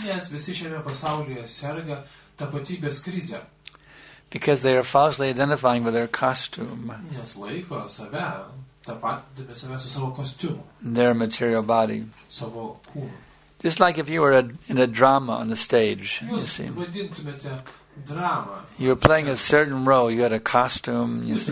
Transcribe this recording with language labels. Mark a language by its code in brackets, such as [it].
[lt] Yes, visi šiame pasaulyje serga tapatybės krize. [en] Because they are falsely identifying with their costume. [lt] Nes laiko save, tapatindami save su savo kostiumu. [en] Their material body. [lt] Savo kūnu. [en] Just like if you were in a drama on the stage, you see. [lt] Jūs vaidintumėte dramą. [en] You were playing a certain role, you had a costume, you see.